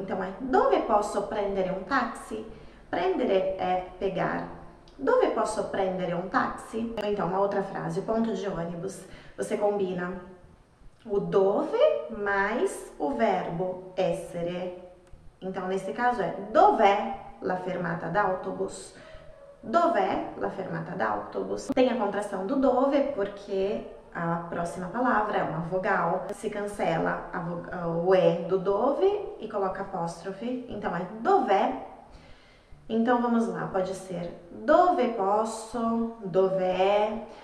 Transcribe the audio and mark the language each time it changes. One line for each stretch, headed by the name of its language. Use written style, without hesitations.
Portuguese: Então, é
Italian: dove posso prendere
Portuguese: um táxi? Prendere é pegar.
Italian: Dove posso prendere
Portuguese: um táxi? Então, uma outra frase, ponto de ônibus. Você combina o dove mais o verbo essere. Então, nesse caso é
Italian: dov'è la fermata d'autobus. Dov'è la fermata d'autobus?
Portuguese: Tem a contração do dove porque a próxima palavra é uma vogal. Se cancela o e do dove e coloca apóstrofe. Então é dov'è. Então vamos lá, pode ser dove posso, dov'è.